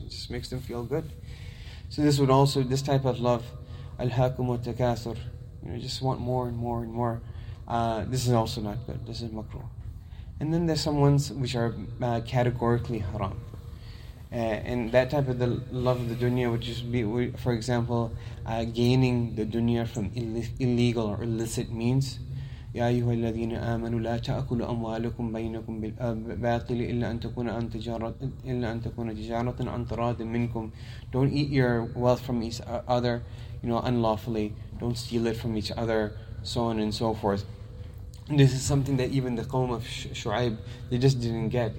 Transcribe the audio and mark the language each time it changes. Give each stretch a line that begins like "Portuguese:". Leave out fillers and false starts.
English: It just makes them feel good. So this would also, this type of love,
Arabic: al-haqum wa takathur,
English: just want more and more and more, this is also not good, this is makruh. And then there's some ones which are categorically haram. And that type of the love of the dunya, which is, for example, gaining the dunya from illegal or illicit means,
Arabic: يا أيها الذين آمنوا لا تأكلوا أموالكم بينكم بالباطل إلا أن تكون تجارة عن تراض منكم.
English: Don't eat your wealth from each other, you know, unlawfully. Don't steal it from each other, so on and so forth. This is something that even the Qawm of Shu'aib, they just didn't get.